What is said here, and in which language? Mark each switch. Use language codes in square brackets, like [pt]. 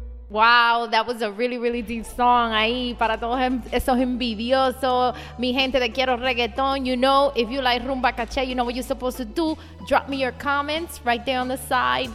[en] Wow, that was a really, really deep song. [es] Ahí, para todos esos envidiosos, mi gente de Quiero Reggaeton. [en] You know, if you like Rumba Caché, you know what you're supposed to do. Drop me your comments right there on the side.